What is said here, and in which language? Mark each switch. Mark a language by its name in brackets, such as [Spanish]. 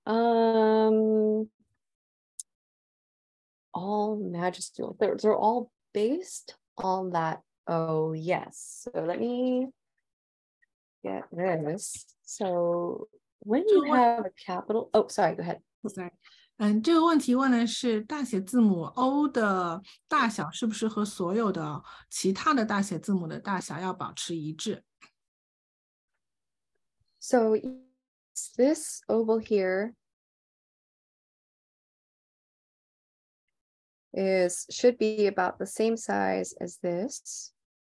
[English] All majuscules. They're all based on that O, yes. So let me get this. So when you have a capital, oh, sorry, go ahead. Sorry. [Chinese] 这个问题问的是大写字母 O 的大小是不是和所有的其他的大写字母的大小要保持一致？ [English] So this oval here should be about the same size as this.